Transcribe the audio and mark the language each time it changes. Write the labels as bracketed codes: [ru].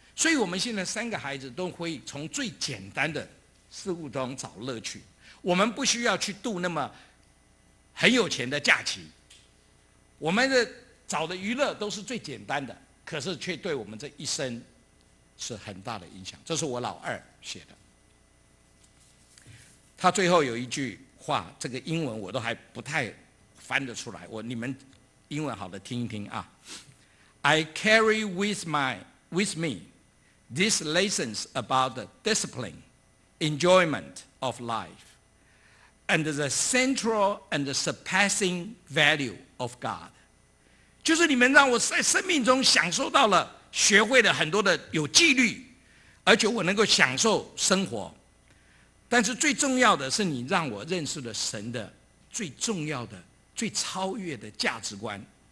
[zh] 所以我们现在三个孩子都会从最简单的事物中找乐趣，我们不需要去度那么很有钱的假期，我们的找的娱乐都是最简单的，可是却对我们这一生是很大的影响。这是我老二写的，他最后有一句话，这个英文我都还不太翻得出来，我你们英文好的听一听啊。 [en] I carry with me these lessons about the discipline, enjoyment of life, and the central and the surpassing value of God. [zh] 就是你们让我在生命中享受到了，学会了很多的有纪律，而且我能够享受生活，但是最重要的是你让我认识了神的最重要的最超越的价值观。